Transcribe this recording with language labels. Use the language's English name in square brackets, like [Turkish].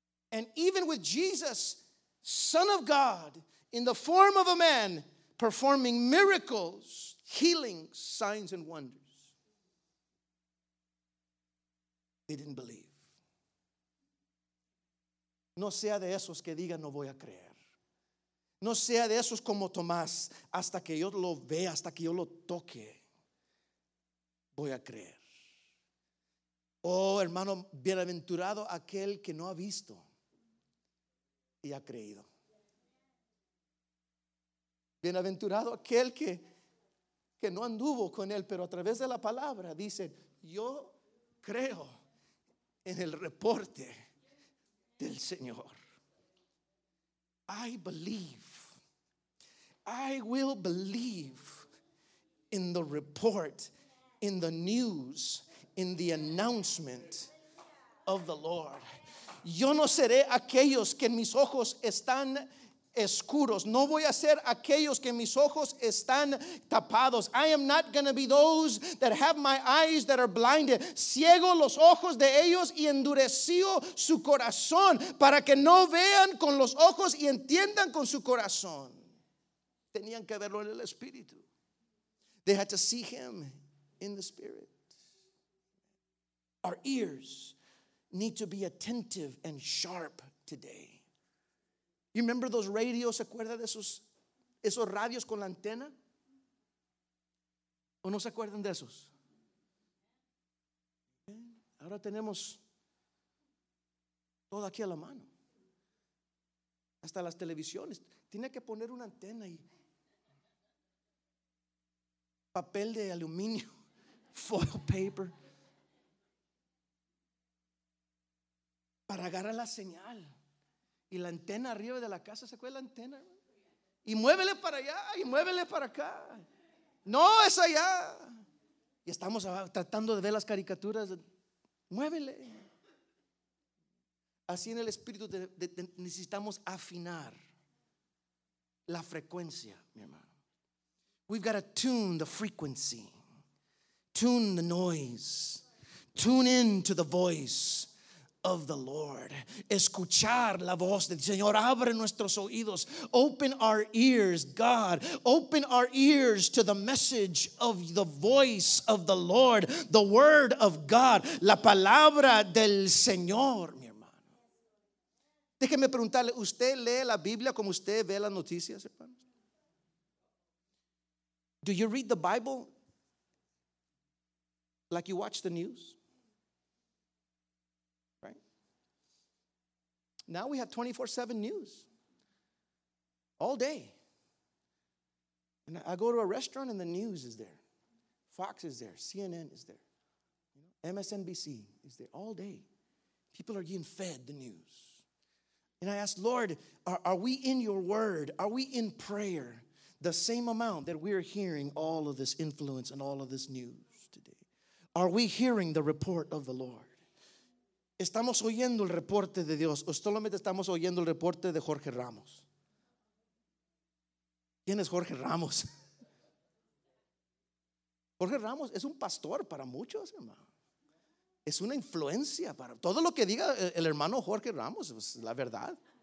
[English] And even with Jesus, Son of God, in the form of a man, performing miracles, healings, signs and wonders, they didn't believe. [Spanish] No sea de esos que digan no voy a creer. No sea de esos como Tomás, hasta que yo lo vea, hasta que yo lo toque, voy a creer. Oh, hermano, bienaventurado aquel que no ha visto y ha creído. Bienaventurado aquel que no anduvo con él, pero a través de la palabra dice, yo creo en el reporte del Señor. [English] I believe. I will believe in the report, in the news, in the announcement of the Lord. [Spanish] Yo no seré aquellos que en mis ojos están oscuros. No voy a ser aquellos que mis ojos están tapados. [English] I am not going to be those that have my eyes that are blinded. [Spanish] Ciego los ojos de ellos y endurecido su corazón para que no vean con los ojos y entiendan con su corazón. Tenían que verlo en el Espíritu. [English] They had to see him in the Spirit. Our ears need to be attentive and sharp today. You remember those radios? [Spanish] ¿Se acuerda de esos radios con la antena? ¿O no se acuerdan de esos? Ahora tenemos todo aquí a la mano. Hasta las televisiones. Tiene que poner una antena y papel de aluminio, [English] foil paper, [Spanish] para agarrar la señal. Y la antena arriba de la casa, ¿se acuerda la antena? Y muévele para allá y muévele para acá. No, es allá. Y estamos tratando de ver las caricaturas Muévele. Así en el espíritu necesitamos afinar la frecuencia, mi hermano. [English] We've got to tune the frequency, tune the noise, tune in to the voice of the Lord. [Spanish] Escuchar la voz del Señor. Abre nuestros oídos. [English] Open our ears, God. Open our ears to the message of the voice of the Lord, the word of God, [Spanish] la palabra del Señor. Déjeme preguntarle, ¿usted lee la Biblia como usted ve las noticias, hermanos? [English] Do you read the Bible like you watch the news? Right? Now we have 24/7 news. All day. And I go to a restaurant and the news is there. Fox is there. CNN is there. MSNBC is there all day. People are getting fed the news. And I asked, Lord, are we in your word? Are we in prayer? The same amount that we are hearing all of this influence and all of this news today. Are we hearing the report of the Lord? [Spanish] ¿Estamos oyendo el reporte de Dios o solamente estamos oyendo el reporte de Jorge Ramos? ¿Quién es Jorge Ramos? Jorge Ramos es un pastor para muchos, hermano. Es una influencia para todo lo que diga el hermano Jorge Ramos, pues, la verdad.